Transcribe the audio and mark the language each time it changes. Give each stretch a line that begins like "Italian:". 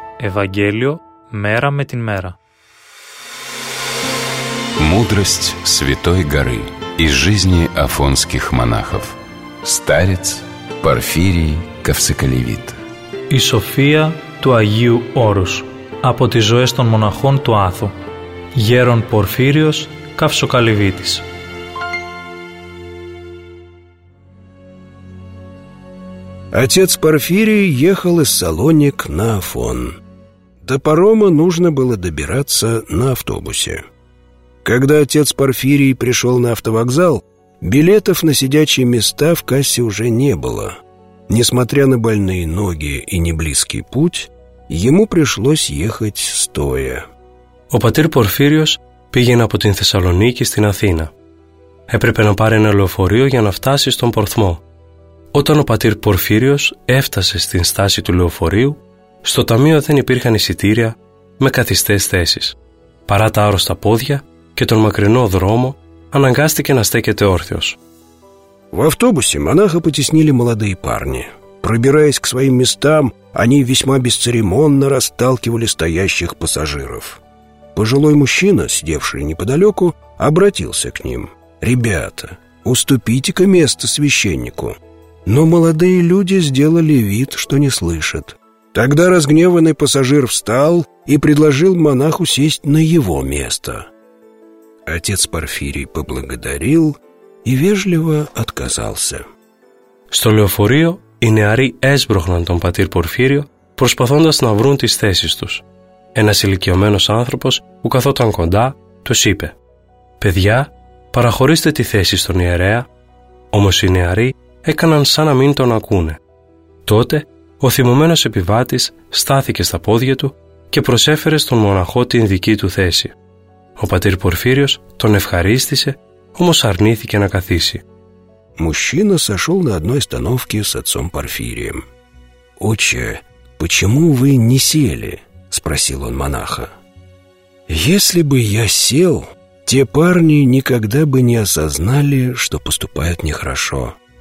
Russian: Евангелие мера με την мера. Мудрость Святой Горы из жизни афонских монахов. Старец Порфирий Ковсоколевит.
Greek: И София του Αγίου Όρους. Από τις ζωές των μοναχών του Άθου. Γέρον Πορφύριος Καυσοκαλυβίτης.
Russian: Отец Порфирий ехал из Салоник на Афон. До парома нужно было добираться на автобусе. Когда отец Порфирий пришел на автовокзал, билетов на сидячие места в кассе уже не было. Несмотря на больные ноги и неблизкий путь, ему пришлось ехать стоя.
Greek: Ο πατήρ Πορφύριος πήγαινε από την Θεσσαλονίκη στην Αθήνα. Έπρεπε να πάρει ένα λεωφορείο για να φτάσει στον Πορθμό. Όταν ο πατήρ Πορφύριος έφτασε στην στάση του λεωφορείου, στο ταμείο δεν υπήρχαν εισιτήρια με καθιστές θέσεις. Παρά τα άρρωστα πόδια και τον μακρινό δρόμο, αναγκάστηκε να στέκεται όρθιος.
Russian: В автобусе монаха потеснили молодые парни. Пробираясь к своим местам, они весьма бесцеремонно расталкивали стоящих пассажиров. Пожилой мужчина, сидевший неподалеку, обратился к ним. «Ребята, уступите-ка место священнику». Но молодые люди сделали вид, что не слышат. Тогда разгневанный пассажир встал и предложил монаху сесть на его место. Отец Порфирий поблагодарил и вежливо отказался.
Greek: Στο λεωφορείο οι νεαροί έσπρωχναν τον πατήρ Πορφύριο, προσπαθώντας να βρουν τις θέσεις τους. Ένας ηλικιωμένος άνθρωπος που καθόταν κοντά τους είπε: «Παιδιά, παραχωρήστε τη θέση στον ιερέα». Όμως οι νεαροί έκαναν σαν να μην τον ακούνε. Τότε ο θυμωμένος επιβάτης στάθηκε στα πόδια του και προσέφερε στον μοναχό την δική του θέση. Ο πατήρ Πορφύριος τον ευχαρίστησε, όμως αρνήθηκε να καθίσει.
Russian: Мужчина сошел на одной остановке с отцом Порфирием. «Отче, почему вы не сели?» — спросил он монаха. «Если бы я сел, те парни никогда бы не осознали, что поступают нехорошо.